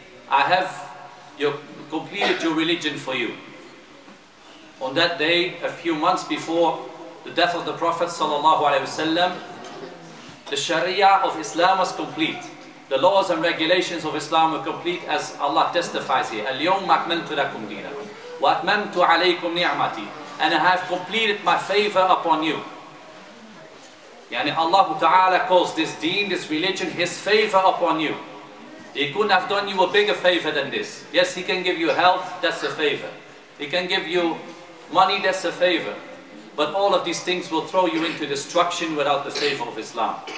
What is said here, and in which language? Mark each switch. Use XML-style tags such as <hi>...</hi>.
<en>I have completed your religion for you. On that day, a few months before the death of the Prophet ﷺ, the Sharia of Islam was complete. The laws and regulations of Islam were complete, as Allah testifies here.</en> <ar>اليوم أكملت لكم دينكم وأتممت عليكم نعمتي.</ar> <en>And I have completed my favor upon you. Yani Allah Ta'ala calls this deen, this religion, His favor upon you. He couldn't have done you a bigger favor than this. Yes, He can give you health, that's a favor. He can give you money, that's a favor. But all of these things will throw you into destruction without the favor of Islam.</en>